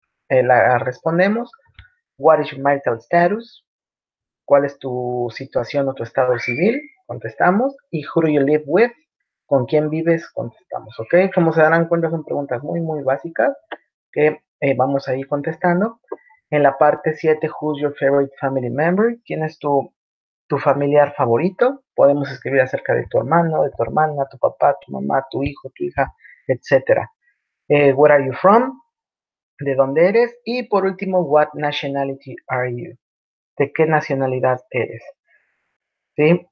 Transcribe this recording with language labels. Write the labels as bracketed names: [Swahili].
[Spanish] La respondemos. [English] What is your marital status? [Spanish] ¿Cuál es tu situación o tu estado civil? Contestamos. ¿Y [English] who do you live with? [Spanish] ¿Con quién vives? Contestamos. ¿Ok? Como se darán cuenta, son preguntas muy básicas que vamos a ir contestando. En la parte 7, [English] who's your favorite family member? [Spanish] ¿Quién es tu familiar favorito? Podemos escribir acerca de tu hermano, de tu hermana, tu papá, tu mamá, tu hijo, tu hija, etc. [English] Where are you from? [Spanish] ¿De dónde eres? Y por último, [English] what nationality are you? [Spanish] ¿De qué nacionalidad eres? ¿Sí?